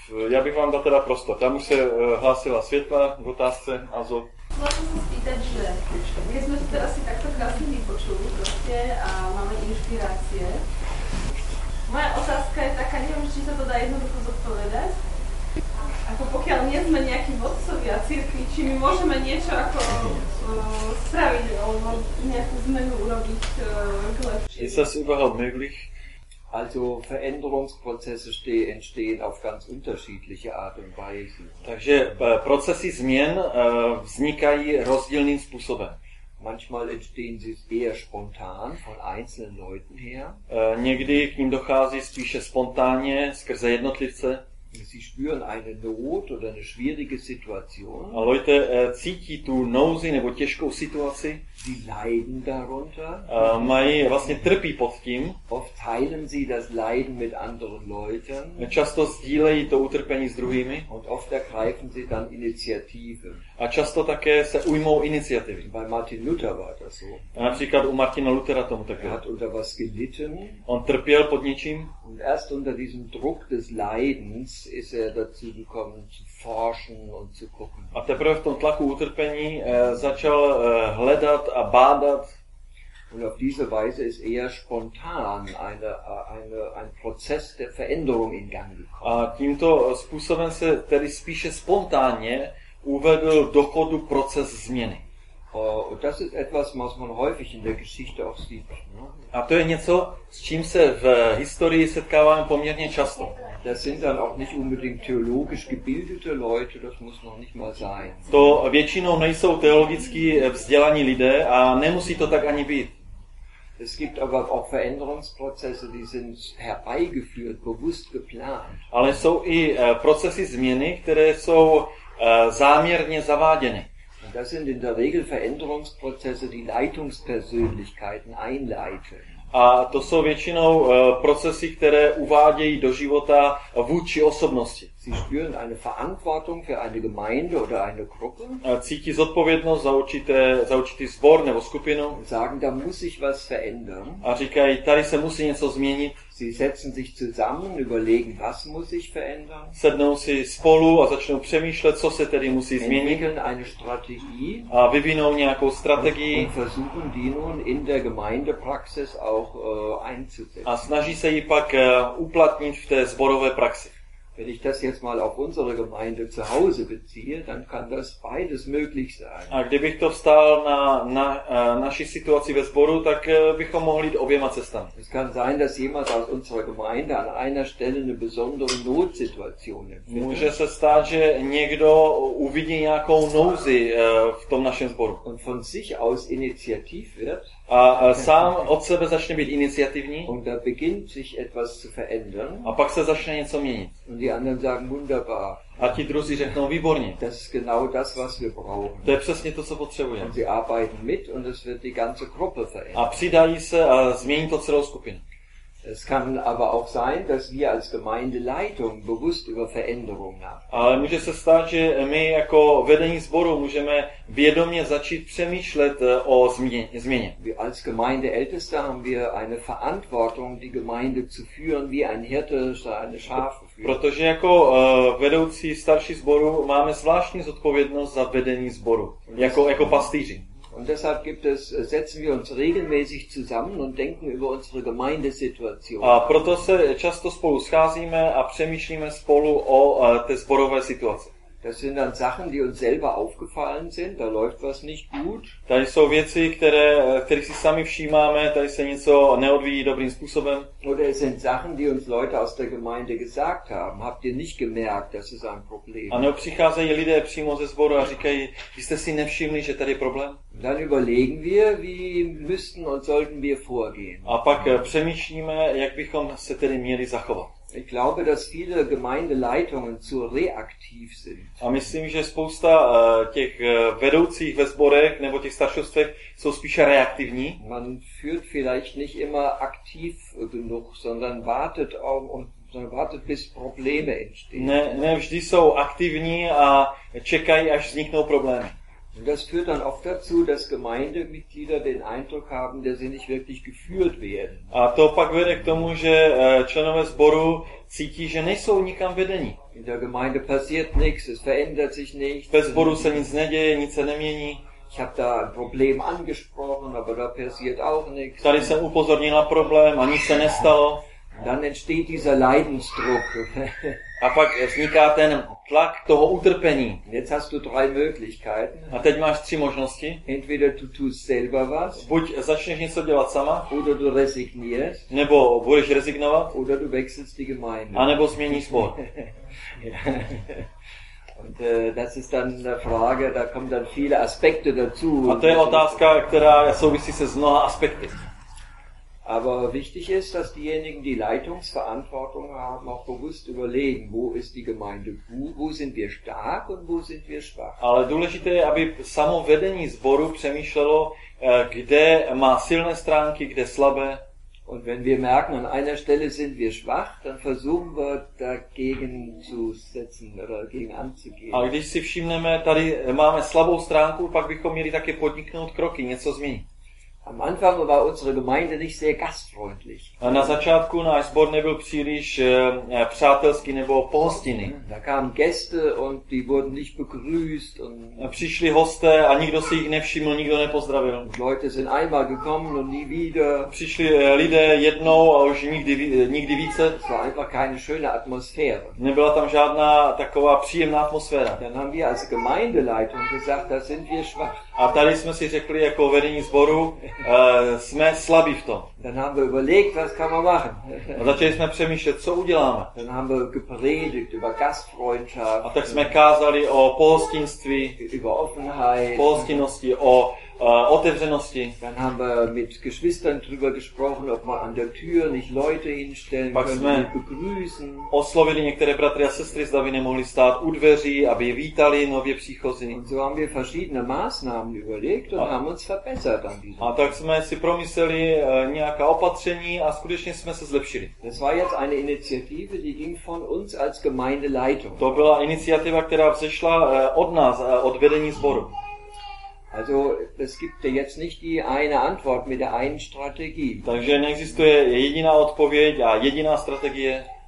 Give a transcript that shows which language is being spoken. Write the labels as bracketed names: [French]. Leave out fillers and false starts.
[Czech] Já bych vám dal teda prostor. Tam už se hlásila Světla v otázce Azo. [Slovak] Můžu se spýtat, že my jsme se asi takto krásně vypočuli prostě a máme inspirace. Moja otázka je taká, nevím, či se to dá jednoducho zodpovědět. Ako pokiaľ nie sme nejakí vodcovia cirkvi, či my môžeme niečo ako spraviť, alebo nejakú zmenu urobiť k lepšie. [German] Ist das überhaupt möglich? Also Veränderungsprozesse entstehen auf ganz unterschiedliche Art und Weise. [Czech] Takže procesy změn vznikají rozdílným způsobem. [German] Manchmal entstehen sie eher spontan von einzelnen Leuten her. [Czech] Někdy k ním dochází spíše spontánně skrze jednotlivce. [German] Sie spüren eine Not oder eine schwierige Situation. [Czech] A [German] Leute [Czech] cítí tu nouzi nebo těžkou situaci. [German] Sie leiden darunter. [Czech] Mají, vlastně trpí pod tím. [German] Oft teilen sie das Leiden mit anderen Leuten. [Czech] Často sdílejí to utrpení s druhými. [German] Und oft ergreifen sie dann Initiative. [Czech] A často také se ujmou iniciativy. [German] Bei Martin Luther war das so. [Czech] Například u Martina Luthera tomu také. [German] Er hat unter was gelitten. [Czech] On trpěl pod něčím. [German] Und erst unter diesem Druck des Leidens ist er dazu gekommen zu forschen und zu gucken. [Czech] A teprve v tom tlaku utrpení začal hledat a bádat. [German] Und auf diese Weise ist eher spontan ein Prozess der Veränderung in Gang gekommen. [Czech] A tímto způsobem se tedy spíše spontánně uvedl do chodu proces změny. [German] Und das ist etwas, was man häufig in der Geschichte auch sieht. [Czech] A to je něco, s čím se v historii setkáváme poměrně často. [German] Das sind dann auch nicht unbedingt theologisch gebildete Leute, das muss noch nicht mal sein. [Czech] To většinou nejsou teologicky vzdělaní lidé a nemusí to tak ani být. [German] Es gibt aber auch Veränderungsprozesse, die sind herbeigeführt, bewusst geplant. [Czech] Ale jsou i procesy změny, které jsou záměrně zaváděny. [German] Das sind in der Regel Veränderungsprozesse, die Leitungspersönlichkeiten einleiten. [Czech] A to jsou většinou procesy, které uvádějí do života vůdčí osobnosti. [German] Sie spüren eine Verantwortung für eine Gemeinde oder eine Gruppe. [Czech] Cítí zodpovědnost za určitý sbor nebo skupinu. [German] Sagen, da muss ich was verändern. [Czech] A říkají, tady se musí něco změnit. [German] Sie setzen sich zusammen, überlegen, was muss ich verändern. [Czech] Sednou si spolu a začnou přemýšlet, co se tedy musí změnit. [German] Entwickeln eine Strategie. [Czech] A vyvinou nějakou strategii. [German] Und versuchen, die nun in der Gemeindepraxis auch einzusetzen. [Czech] A snaží se ji pak uplatnit v té sborové praxi. [German] Wenn ich das jetzt mal auf unsere Gemeinde zu Hause beziehe, dann kann das beides möglich sein. [Czech] A kdybych to vstál naši situaci ve sboru, tak bychom mohli jít oběma cestami. [German] Es kann sein, dass jemand aus unserer Gemeinde an einer Stelle eine besondere Notsituation empfindet. [Czech] Může se stát, že někdo uvidí nějakou nouzi v tom našem sboru. [German] Und von sich aus initiativ wird. [Czech] A sám od sebe začne být iniciativní. [German] Und da beginnt sich etwas zu verändern. [Czech] A pak se začne něco měnit. [German] Und die anderen sagen wunderbar. [Czech] A ti druzí řeknou výborně. [German] Das ist genau das, was wir brauchen. [Czech] To je přesně to, co potřebujeme. [German] Und sie arbeiten mit und es wird die ganze Gruppe verändern. [Czech] A přidají se a změní to celou skupinu. [German] Es kann aber auch sein, dass wir als Gemeindeleitung bewusst über Veränderungen nachdenken. [Czech] Ale může se stát, že my jako vedení sboru můžeme vědomě začít přemýšlet o změně. [German] Wir als Gemeindeälteste haben wir eine Verantwortung, die Gemeinde zu führen, wie ein Hirte seine Schafe führt. [Czech] Protože jako vedoucí starší sboru máme zvláštní zodpovědnost za vedení sboru, jako pastýři. [German] Und deshalb gibt es setzen wir uns regelmäßig zusammen und denken über unsere Gemeindesituation. [Czech] A proto se často spolu scházíme a přemýšlíme spolu o té sborové situaci. [German] Das sind dann Sachen, die uns selber aufgefallen sind, da läuft was nicht gut. [Czech] Tady jsou věci, které si sami všímáme, tady se něco neodvíjí dobrým způsobem. [German] Oder es sind Sachen, die uns Leute aus der Gemeinde gesagt haben. Habt ihr nicht gemerkt, das ist ein Problem? [Czech] A nebo přicházejí lidé přímo ze sboru a říkají, vy jste si nevšimli, že tady je problém? [German] Dann überlegen wir, wie müssten und sollten wir vorgehen. [Czech] A pak přemýšlíme, jak bychom se tedy měli zachovat. [German] Ich glaube, dass viele Gemeindeleitungen zu reaktiv sind. [Czech] A myslím, že spousta těch vedoucích ve sborech nebo těch staršostvech jsou spíše reaktivní. [German] Man führt vielleicht nicht immer aktiv genug, sondern wartet auf und wartet bis Probleme entstehen. [Czech] Ne vždy jsou aktivní a čekají, až vzniknou problémy. [German] Und das führt dann oft dazu, dass Gemeindemitglieder den Eindruck haben, dass sie nicht wirklich geführt werden. [Czech] A to pak vede k tomu, že členové sboru cítí, že nejsou nikam vedení. [German] In der Gemeinde passiert nichts, es verändert sich nichts. [Czech] Ve sboru se nic neděje, nic se nemění. [German] Ich habe da ein Problem angesprochen, aber da passiert auch nichts. [Czech] Tady jsem upozornil na problém a nic se nestalo. [German] Dann entsteht dieser Leidensdruck. [Czech] A pak vzniká ten tlak toho utrpení. [German] Jetzt hast du drei Möglichkeiten. [Czech] A teď máš tři možnosti. [German] Entweder du tust selber was. [Czech] Buď začneš něco dělat sama. [German] Oder du resignierst. [Czech] Nebo budeš rezignovat. [German] Oder du wechselst die Gemeinde. [Czech] A nebo změníš sbor. [German] Und das ist dann eine Frage, da kommen dann viele Aspekte dazu. [Czech] A to je otázka, která souvisí se s mnoha aspekty. [German] Aber wichtig ist, dass diejenigen, die Leitungsverantwortung haben, auch bewusst überlegen, wo ist die Gemeinde gut, wo sind wir stark und wo sind wir schwach. [Czech] Ale důležité je, aby samo vedení sboru přemýšlelo, kde má silné stránky, kde slabé. [German] Und wenn wir merken, an einer Stelle sind wir schwach, dann versuchen wir dagegen zu setzen oder gegen anzugehen. [Czech] A když si všimneme, tady máme slabou stránku, pak bychom měli také podniknout kroky, něco změnit. [German] Am Anfang war unsere Gemeinde nicht sehr gastfreundlich. [Czech] Na začátku náš sbor nebyl příliš přátelský nebo pohostinný. [German] Da kamen Gäste und die wurden nicht begrüßt und [Czech] přišli hosté a nikdo si jich nevšiml, nikdo nepozdravil. [German] Leute sind einmal gekommen und nie wieder. [Czech] Přišli lidé jednou a už nikdy více. [German] Es war einfach keine schöne Atmosphäre. [Czech] Nebyla tam žádná taková příjemná atmosféra. [German] Dann haben wir als Gemeindeleitung gesagt, da sind wir schwach. [Czech] A tady jsme si řekli jako vedení sboru, jsme slabí v tom. [German] Dann haben wir überlegt, was kann man machen. [Czech] A začali jsme přemýšlet, co uděláme. [German] Dann haben wir gepredigt über Gastfreundschaft. [Czech] A tak jsme kázali o pohostinství, [German] über Offenheit, [Czech] pohostinnosti, o otevřenosti. [German] Dann haben wir mit Geschwistern drüber gesprochen, ob man an der Tür nicht Leute hinstellen [Czech] pak [German] können, [Czech] jsme [German] begrüßen. [Czech] Oslovili některé bratry a sestry, zda by nemohli stát u dveří, aby je vítali nově příchozí. [German] Und so haben wir verschiedene Maßnahmen überlegt und haben uns verbessert an diesem. [Czech] A tak jsme si promysleli nějaká opatření a skutečně jsme se zlepšili. [German] Das war jetzt eine Initiative, die ging von uns als Gemeindeleitung. [Czech] To byla iniciativa, která vzešla od nás, od vedení sboru. [German] Also, es gibt jetzt nicht die eine Antwort mit der einen Strategie. [Czech] Takže neexistuje jediná odpověď a jediná strategie.